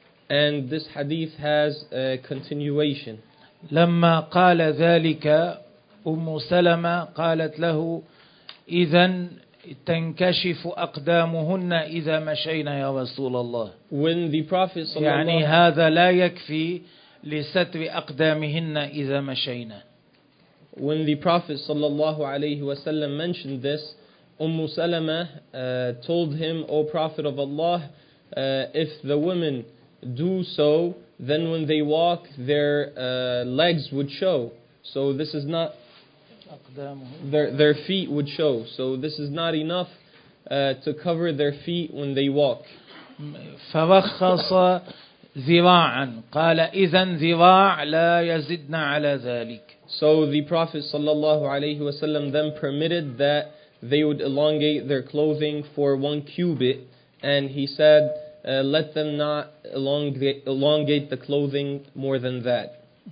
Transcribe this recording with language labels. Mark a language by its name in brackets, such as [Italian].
[English] And this hadith has a continuation. [Arabic] لما قال ذلك أم سلمة قالت له إذا تنكشف أقدامهن إذا مشينا يا رسول الله. [English] When the Prophet [Arabic] صلى الله عليه وسلم يعني هذا لا يكفي لستر أقدامهن إذا مشينا. [English] When the Prophet [Arabic] صلى الله عليه وسلم [English] mentioned this, أم سلمة told him, O Prophet of Allah, if the women do so, then when they walk, their legs would show. So this is not their feet would show. So this is not enough to cover their feet when they walk. [Arabic] فرخص ذراعا. قال إذا ذراع لا يزدنا على ذلك. [English] So the Prophet [Arabic] صلى الله عليه وسلم [English] then permitted that they would elongate their clothing for 1 cubit, and he said, let them not elongate the clothing more than that.